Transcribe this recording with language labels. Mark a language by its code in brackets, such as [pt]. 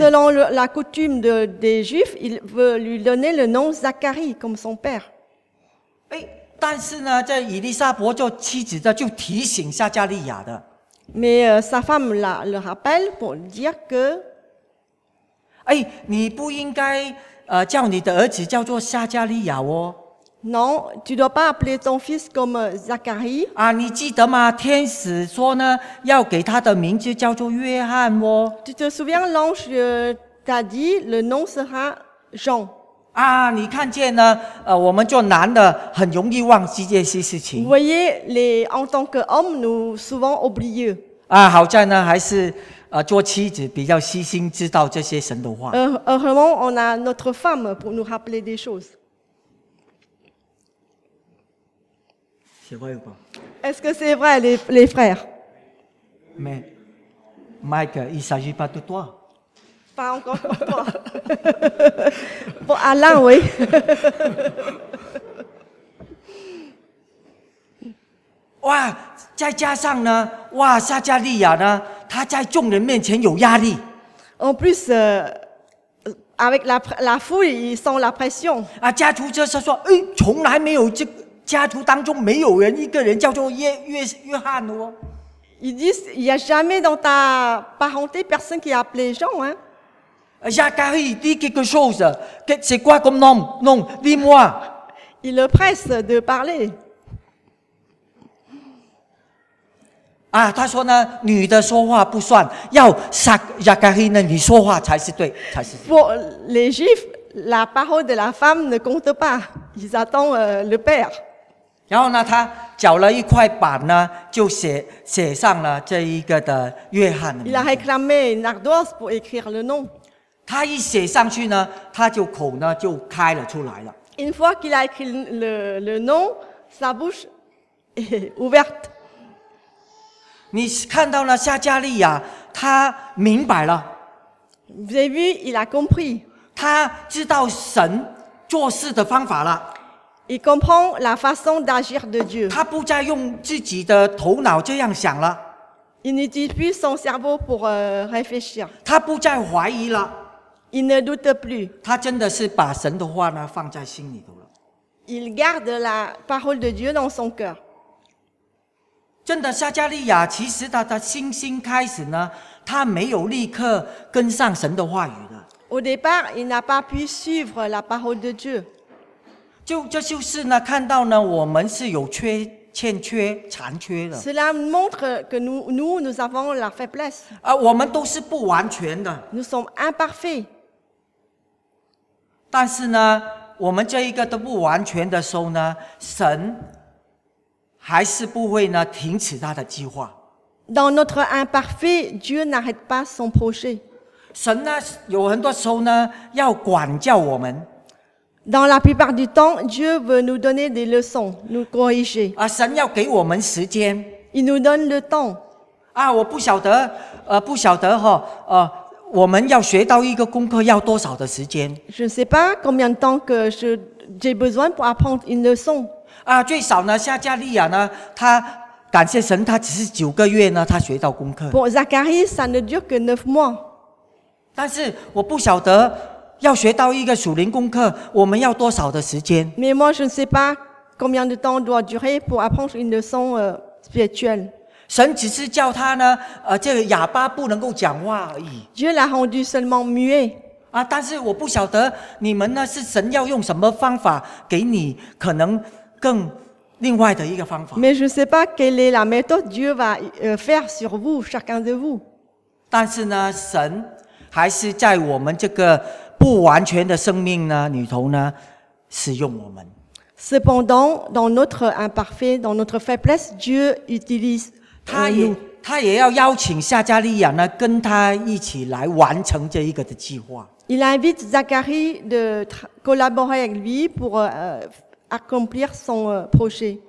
[fr] Selon la coutume des Juifs, il veut lui donner le nom Zacharie comme son père. [zh] 但是呢，这以利沙伯做妻子的就提醒撒加利亚的。 [fr] Mais sa femme la le rappelle pour dire que， [zh] 哎，你不应该叫你的儿子叫做撒加利亚哦。 [fr] Non, tu dois pas appeler ton fils comme Zacharie。 [zh] 你记得吗？天使说呢，要给他的名字叫做约翰哦。 [fr] Tu te souviens, l'ange t'a dit le nom sera Jean。 [zh] 你看见呢？我们做男的很容易忘记这些事情。 [fr] Vous voyez, en tant que homme, nous souvent oublions. [zh] 好在呢，还是做妻子比较细心，知道这些神的话。 [fr] Heureusement, on a notre femme pour nous rappeler des choses. C'est vrai ou pas? Est-ce que c'est vrai, les frères? Mais, Mike, il ne s'agit pas de toi. Pas encore pour toi. Pour Alain, oui. [zh] Wow, 再加上呢，哇，撒加利亚呢，他在众人面前有压力。 [fr] En plus, avec la foule, ils sont la pression. [zh] 家族就是说，哎，从来没有这家族当中没有人一个人叫做约翰哦。 [fr] Ils disent, il y a jamais dans ta parenté personne qui a appelé Jean, hein. Zacharie, dis quelque chose. C'est quoi comme nom? Non, dis-moi. Il le presse de parler. Il dit, la femme ne parle pas. Il faut Zacharie, tu parles, c'est vrai. Pour les Juifs, la parole de la femme ne compte pas. Ils attendent le père. Il a réclamé un petit ardoise pour écrire le nom de Johann. Il a réclamé un ardoise pour écrire le nom. [zh] 他一写上去呢，他就口呢就开了出来了。 [fr] Une fois qu'il a écrit le nom, sa bouche est ouverte. [zh] 你看到了撒加利亚，他明白了。 [fr] Vous avez vu, il a compris. [zh] 他知道神做事的方法了。 [fr] Il comprend la façon d'agir de Dieu. [zh] 他不再用自己的头脑这样想了。 [fr] Il n'utilise plus son cerveau pour réfléchir. [zh] 他不再怀疑了。 [fr] Il ne doute plus. [zh] 他真的是把神的话呢放在心里头了。 [fr] Il garde la parole de Dieu dans son cœur. [zh] 真的，撒加利亚其实他的信心开始呢。他没有立刻跟上神的话语的。 [fr] Au départ, il n'a pas pu suivre la parole de Dieu. [zh] 就是呢，看到呢，我们是有欠缺、残缺的。 [fr] Cela montre que nous avons la faiblesse. [zh] 我们都是不完全的。 [fr] Nous sommes imparfaits. [zh] 但是呢，我们这一个都不完全的时候呢，神还是不会呢停止他的计划。 [fr] Dans notre imparfait, Dieu n'arrête pas son projet. [zh] 神呢，有很多时候呢，要管教我们。 [fr] Dans la plupart du temps, Dieu veut nous donner des leçons, nous corriger. [zh] 啊，神要给我们时间。 [fr] Il nous donne le temps. [zh] 啊，我不晓得，不晓得哈，我们要学到一个功课要多少的时间 [fr] ？Je ne sais pas combien de temps que j'ai besoin pour apprendre une leçon. [zh] 啊，最少呢，撒加利亚呢，他。感谢神，他只是九个月呢，他学到功课。 [fr] Pour Zacharie, ça ne dure que neuf mois. [zh] 但是我不晓得要学到一个属灵功课，我们要多少的时间 [fr] ？Mais moi, je ne sais pas combien de temps doit durer pour apprendre une leçon spirituelle. [zh] 神只是叫他呢，这个哑巴不能够讲话而已。 [fr] Dieu l'a rendu seulement muet. [zh] 啊，但是我不晓得你们呢，是神要用什么方法给你可能更。另外的一个方法。 [fr] Mais je ne sais pas quelle est la méthode Dieu va faire sur vous, chacun de vous. [zh] 但是呢，神还是在我们这个不完全的生命呢里头呢，使用我们。 [fr] Cependant, dans notre imparfait, dans notre faiblesse, Dieu utilise nous. [zh] 他也要邀请撒加利亚呢，跟他一起来完成这一个的计划。 [fr] Il invite Zacharie de collaborer avec lui pour accomplir son projet.